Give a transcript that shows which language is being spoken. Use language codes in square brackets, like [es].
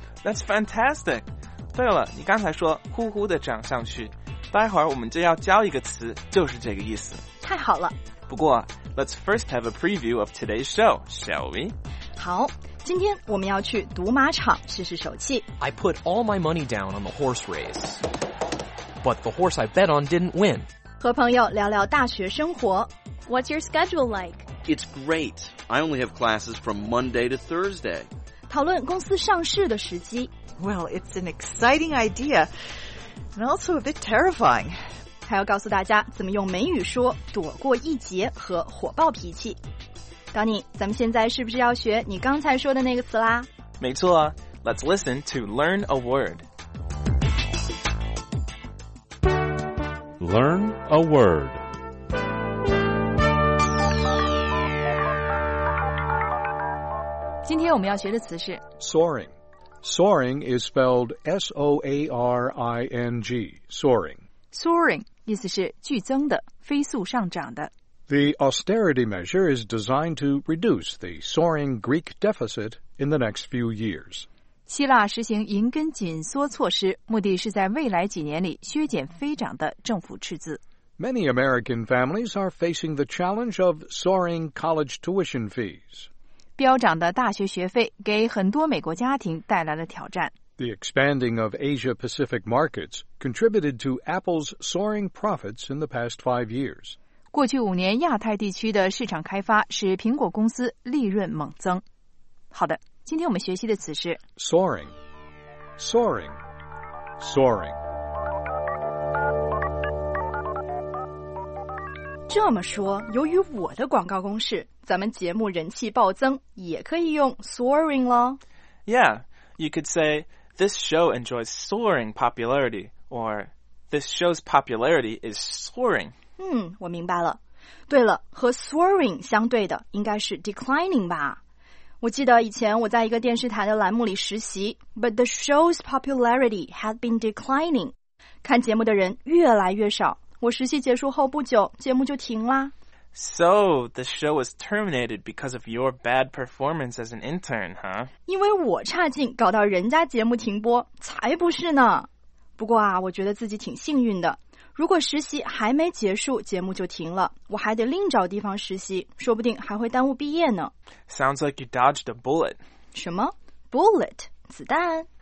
[en] That's fantastic。 [zh] 对了，你刚才说呼呼的涨上去，待会儿我们就要教一个词，就是这个意思。太好了。不过 [en] ,let's first have a preview of today's show, shall we? [zh] 好，今天我们要去赌马场试试手气。 [en] I put all my money down on the horse race, but the horse I bet on didn't win. [zh] 和朋友聊聊大学生活。 [en] What's your schedule like? It's great. I only have classes from Monday to Thursday. [zh] 讨论公司上市的时机。 [en] Well, it's an exciting idea, and also a bit terrifying. [zh] 还要告诉大家怎么用美语说躲过一劫和火爆脾气。 Donny， 咱们现在是不是要学你刚才说的那个词啦？没错， [en] Let's listen to learn a word. Learn a word. Today we're going to learn the word soaring. Soaring is spelled S-O-A-R-I-N-G, soaring. Soaring. [zh] 意思是剧增的，飞速上涨的。 [en] The austerity measure is designed to reduce the soaring Greek deficit in the next few years. [zh] 希腊实行银根紧缩措施，目的是在未来几年里削减飞涨的政府赤字。 [en] Many American families are facing the challenge of soaring college tuition fees. [zh] 飙涨的大学学费给很多美国家庭带来了挑战。 [en] The expanding of Asia-Pacific markets contributed to Apple's soaring profits in the past 5 years. [zh] 过去五年亚太地区的市场开发使苹果公司利润猛增。好的，今天我们学习的词是 [en] soaring, soaring, soaring. [zh] 这么说，由于我的广告攻势，咱们节目人气暴增，也可以用 soaring 了。 [en] Yeah, you could say... This show enjoys soaring popularity, or this show's popularity is soaring. [zh] 我明白了。对了，和 soaring 相对的应该是 declining 吧。我记得以前我在一个电视台的栏目里实习 , [en] but the show's popularity had been declining. [zh] 看节目的人越来越少，我实习结束后不久，节目就停啦。 [en] So, the show was terminated because of your bad performance as an intern, huh? [zh] 因为我差劲搞到人家节目停播，才不是呢。不过啊，我觉得自己挺幸运的。如果实习还没结束，节目就停了，我还得另找地方实习，说不定还会耽误毕业呢。 [en] Sounds like you dodged a bullet. [zh] 什么？Bullet? 子弹？